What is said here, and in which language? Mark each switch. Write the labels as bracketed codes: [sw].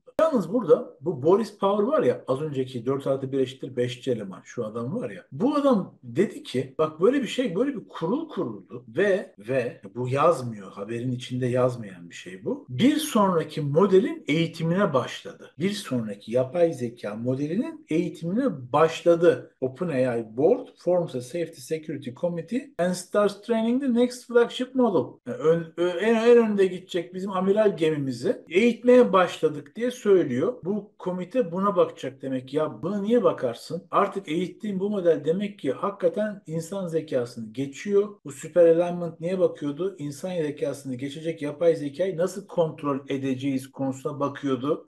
[tr] Yalnız burada bu Boris Power var ya az önceki 4 artı 1 eşittir 5'ci eleman şu adam var ya. Bu adam dedi ki bak böyle bir şey böyle bir kurul kuruldu ve bu yazmıyor haberin içinde yazmayan bir şey bu. Bir sonraki modelin eğitimine başladı. Bir sonraki yapay zeka modelinin eğitimine başladı. [en] OpenAI Board forms a safety security committee and starts training the next flagship model. [tr] En önde gidecek bizim amiral gemimizi eğitmeye başladık diye söylüyor. Bu komite buna bakacak demek ki. Ya buna niye bakarsın? Artık eğittiğin bu model demek ki hakikaten insan zekasını geçiyor. Bu süper alignment niye bakıyordu? İnsan zekasını geçecek yapay zekayı nasıl kontrol edeceğiz konusuna bakıyordu.